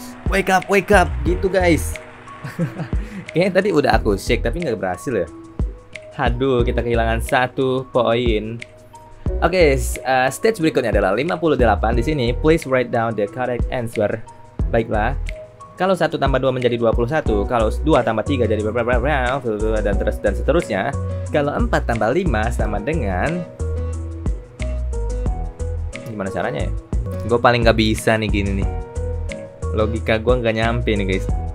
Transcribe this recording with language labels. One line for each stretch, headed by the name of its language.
English: Wake up.
Indonesian: Gitu guys. Kayaknya tadi udah aku shake tapi nggak berhasil ya. Haduh, kita kehilangan satu poin. Oke, stage berikutnya adalah 58 di sini.
English: Please write down the correct answer.
Indonesian: Baiklah. Kalau 1 tambah 2 menjadi 21, kalau 2 tambah 3 jadi berapa, dan terus dan seterusnya. Kalau 4 tambah 5 sama dengan... Gimana caranya ya? Gue paling nggak bisa nih gini nih. Logika gue nggak nyampe nih guys.